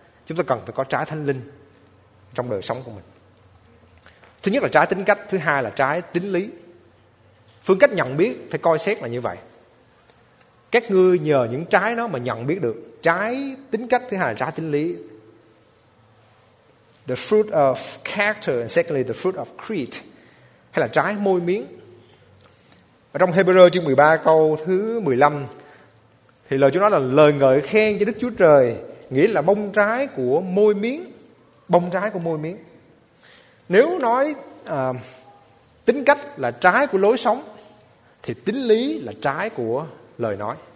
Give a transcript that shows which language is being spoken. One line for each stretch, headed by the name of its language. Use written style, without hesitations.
Vietnamese: Chúng ta cần phải có trái thánh linh trong đời sống của mình. Thứ nhất là trái tính cách, thứ hai là trái tính lý. Phương cách nhận biết phải coi xét là như vậy. Các ngươi nhờ những trái nó mà nhận biết được trái tính cách, thứ hai là trái tính lý.
English: The fruit of character and secondly the fruit of creed.
Vietnamese: Hay là trái môi miếng. Ở trong Hebrew chương 13 câu thứ 15 thì lời Chúa nói là lời ngợi khen cho Đức Chúa Trời, nghĩa là bông trái của môi miếng. bông trái của môi miệng. Nếu nói tính cách là trái của lối sống, thì tính lý là trái của lời nói.